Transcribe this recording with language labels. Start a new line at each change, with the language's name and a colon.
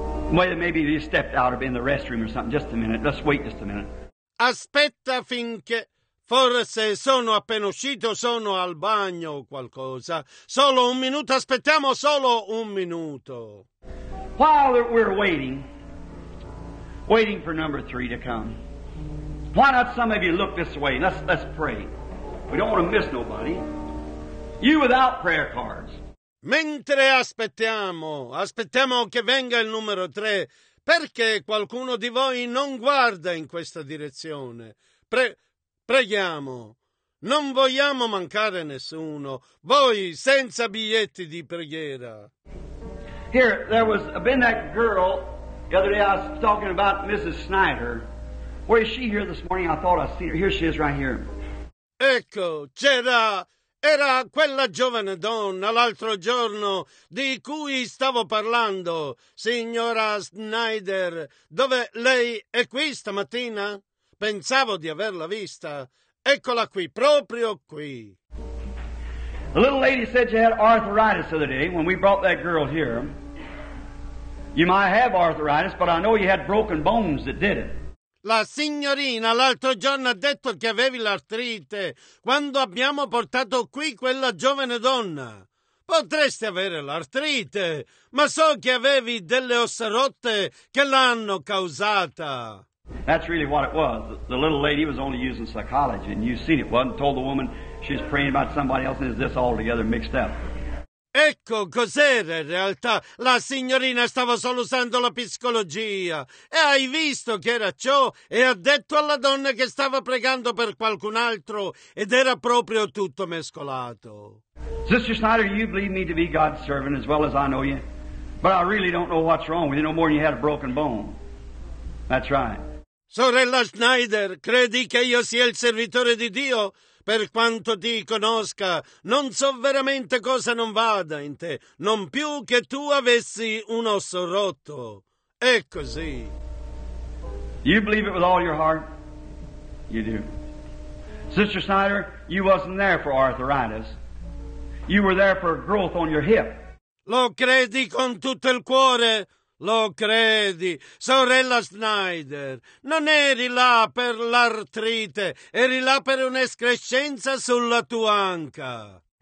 English: Well, maybe you stepped out or been in the restroom or something. Just a minute. Let's wait just a minute.
Italian: Aspetta finché... Forse sono appena uscito, sono al bagno o qualcosa. Solo un minuto. Aspettiamo solo un minuto.
English: While we're waiting for number 3 to come, why not some of you look this way? Let's pray. We don't want to miss nobody. You without prayer cards.
Italian: Mentre aspettiamo che venga il numero 3, perché qualcuno di voi non guarda in questa direzione? Preghiamo, non vogliamo mancare nessuno, voi senza biglietti di preghiera.
English: Here, there was been that girl, the other day I was talking about Mrs. Snyder. Where is she here this morning? I thought I seen her. Here she is right here.
Italian: Ecco, c'era... Era quella giovane donna l'altro giorno di cui stavo parlando, signora Snyder. Dove lei è qui stamattina? Pensavo di averla vista. Eccola qui, proprio qui.
English: The little lady said you had arthritis the other day when we brought that girl here. You might have arthritis, but I know you had broken bones that did it.
Italian: La signorina l'altro giorno ha detto che avevi l'artrite quando abbiamo portato qui quella giovane donna. Potresti avere l'artrite, ma so che avevi delle ossa rotte che l'hanno causata.
English: That's really what it was. The little lady was only using psychology, and you've seen it, wasn't told the woman she's praying about somebody else, and is this all together mixed up?
Italian: Ecco cos'era in realtà. La signorina stava solo usando la psicologia. E hai visto che era ciò? E ha detto alla donna che stava pregando per qualcun altro ed era proprio tutto mescolato.
English: Sister Snyder, you believe me to be God's servant as well as I know you. But I really don't know what's wrong with you no more than you had a broken bone. That's right.
Italian: Sorella Snyder, credi che io sia il servitore di Dio? Per quanto ti conosca, non so veramente cosa non vada in te, non più che tu avessi un osso rotto. È così.
English: You believe it with all your heart? You do. Sister Snyder, you wasn't there for arthritis. You were there for growth on your hip.
Italian: Lo credi con tutto il cuore? Lo credi, sorella Snyder, non eri là per l'artrite, eri là per un'escrescenza sulla tua anca.